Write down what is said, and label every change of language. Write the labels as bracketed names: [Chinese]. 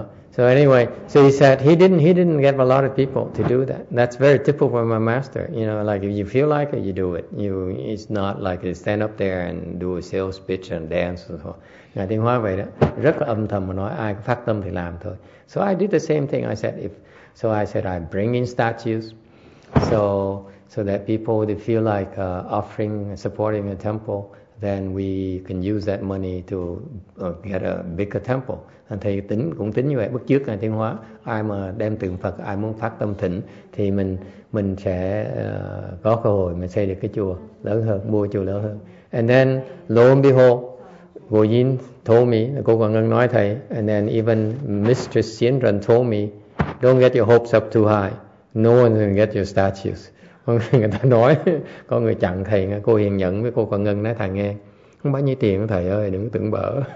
[English] So he said he didn't get a lot of people to do that. That's very typical for my master. You know, like if you feel like it, you do it. It's not like you stand up there and do a sales pitch and dance and so on. [Vietnamese] Ngài Thiên Hóa vậy đó, rất là âm thầm mà nói, ai có phát tâm thì làm thôi. [English] So I did the same thing. I said I bring in statues so that people would feel like offering and supporting a temple. Then we can use that money to get a bigger temple. [Vietnamese] And thầy cũng tính như vậy. Bước trước Ngài Thiên Hóa, ai mà đem tượng Phật, ai muốn phát tâm thỉnh, thì mình sẽ có cơ hội mình xây được cái chùa lớn hơn, mua chùa lớn hơn. [English] And then lo and behold, Go Yin told me, [Vietnamese] Cô Quảng Ngân nói thầy, [English] and then even Mistress Xian Ren told me, don't get your hopes up too high. No one can get your statues. [Vietnamese] Người ta nói có người chặn thầy, cô Hiền nhận với cô Quảng Ngân nói thằng nghe không bao nhiêu tiền thầy ơi, đừng tưởng bở.